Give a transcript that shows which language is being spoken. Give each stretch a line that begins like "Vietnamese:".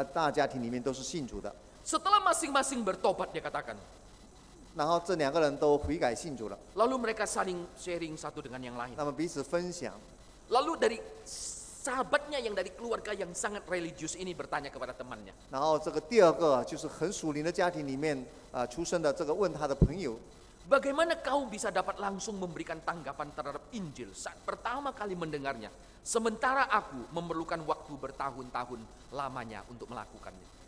Chinese: 而且他的家庭里面是非常属灵的，而且他大家庭里面都是信主的。
Indonesian: Setelah masing-masing bertobat, dia katakan.
Chinese: 然后这两个人都悔改信主了。
Indonesian: Lalu mereka saling sharing satu dengan yang lain.
Chinese: 他们彼此分享。
Indonesian: Lalu dari sahabatnya yang dari keluarga yang sangat religius ini bertanya kepada temannya.
Chinese: 然后这个第二个就是很属灵的家庭里面出生的这个问他的朋友。
Indonesian: Bagaimana kau bisa dapat langsung memberikan tanggapan terhadap Injil saat pertama kali mendengarnya, sementara aku memerlukan waktu bertahun-tahun lamanya untuk melakukannya.